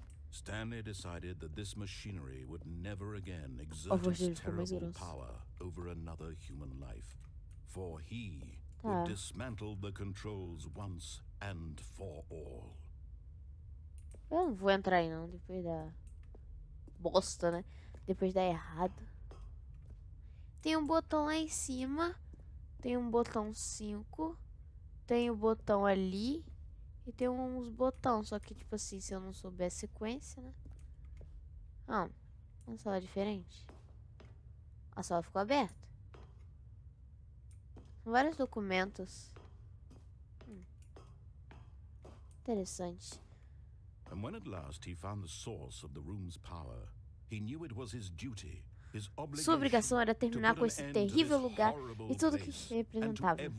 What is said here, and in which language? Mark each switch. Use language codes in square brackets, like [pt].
[en] Stanley decided that this machinery would never again exert its terrible power over another human life, for he would dismantle the controls once and for all. [pt] Eu não vou entrar aí não, depois da bosta, né? Depois da errado. Tem um botão lá em cima, tem um botão 5, tem um botão ali. E tem uns botões, só que tipo assim, se eu não souber a sequência, né? Ah, uma sala diferente. A sala ficou aberta. Vários documentos. Interessante. E quando [en] at last he found the source of the room's power, he knew it was his duty. [pt] Sua obrigação era terminar com esse terrível lugar e tudo o que representava.